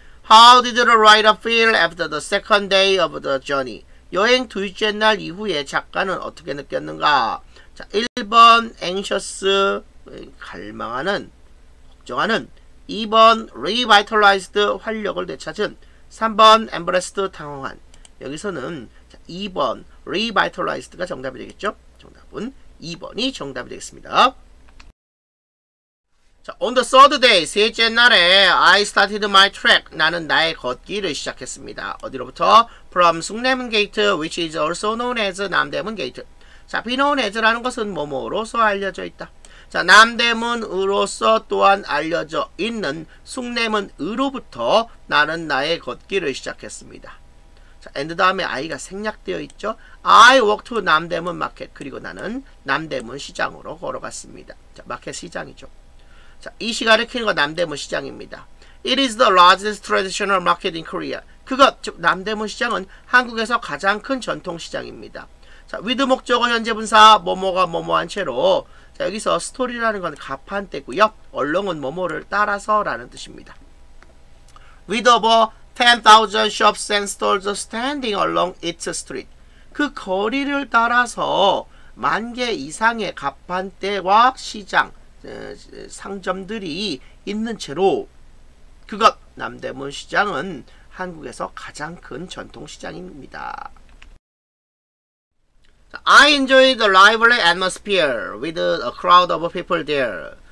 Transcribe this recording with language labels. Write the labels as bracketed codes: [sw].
[en] How did the writer feel after the second day of the journey? [ko] 여행 둘째 날 이후에 작가는 어떻게 느꼈는가? 자, 1번 anxious, 갈망하는, 걱정하는. 2번 revitalized, 활력을 되찾은. 3번 embraced, 당황한. 여기서는 자, 2번 revitalized가 정답이 되겠죠? 정답은 2번이 정답이 되겠습니다. [en] 자, on the third day, [ko] 셋째 날에 [en] I started my trek. [ko] 나는 나의 걷기를 시작했습니다. 어디로부터? [en] From 숭례문 게이트, which is also known as 남대문 게이트. [ko] 자, [en] be known as [ko] 라는 것은 뭐뭐로서 알려져 있다. 자, 남대문으로서 또한 알려져 있는 숭례문으로부터 나는 나의 걷기를 시작했습니다. 자, and 다음에 I가 생략되어 있죠. [en] I walked to [ko] 남대문 마켓. 그리고 나는 남대문 시장으로 걸어갔습니다. 자, 마켓 시장이죠. 자, 이 시간을 키는 거 남대문 시장입니다. [en] It is the largest traditional market in Korea. [ko] 그것, 즉 남대문 시장은 한국에서 가장 큰 전통시장입니다. 자, with 목적어 현재 분사, 뭐뭐가 뭐뭐한 채로. 자, 여기서 story라는 건 가판대고요. 얼렁은 뭐뭐를 따라서 라는 뜻입니다. [en] With over 10,000 shops and stores standing along its street. [ko] 그 거리를 따라서 만 개 이상의 가판대와 시장, 상점들이 있는 채로. 그것, 남대문 시장은 한국에서 가장 큰 전통시장입니다. [en] I enjoyed the lively atmosphere with a crowd of people there.